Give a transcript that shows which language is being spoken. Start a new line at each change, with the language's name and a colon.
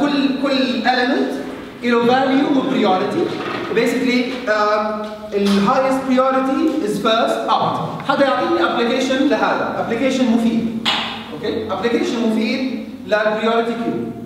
Arabic: كل element إله value و priority.
English: Basically highest priority is first out.
Arabic: هذا يعطيني application لهذا، application مفيد.
English: Okay؟ application
Arabic: مفيد لـ
English: priority queue.